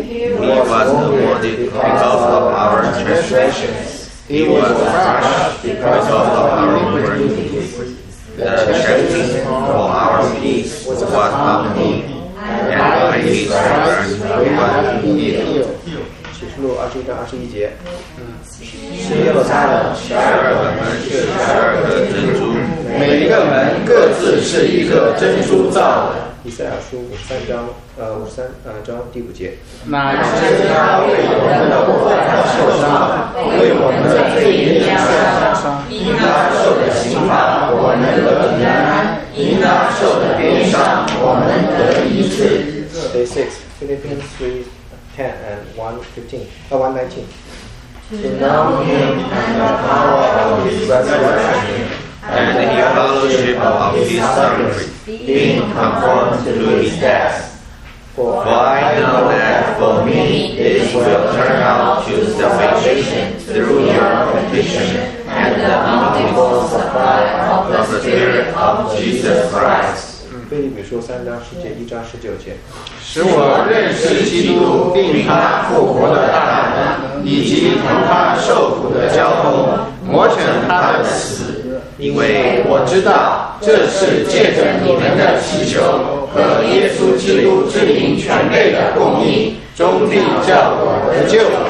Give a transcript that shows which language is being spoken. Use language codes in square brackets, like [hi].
[en] he was wounded because of our transgressions. He was crushed because of our iniquities. The chastening for our peace was upon him, and by his stripes we are healed. [zh] 启示录二十一章二十一节，新耶路撒冷十二个门是十二个珍珠，每一个门各自是一个珍珠造的。以赛亚书五十三章章第五节，那是他为我们的过犯受伤，为我们的罪孽伤，因他受的刑罚我们得平安，因他受的鞭伤我们得医治。 [en] Day six, Philippians 3:10 and 1:15. To know him and the power of his resurrection, and the fellowship of his suffering, being conformed to his death. For I know that for me this will turn out to salvation through your petition and the multiple supply of the Spirit of Jesus Christ. [zh] 腓立比书三章十节一章十九节，使我认识基督并他复活的大能，以及同他受苦的交通，磨成他的死，因为我知道这是借着你们的祈求和耶稣基督之灵全备的供应，终必叫我得救。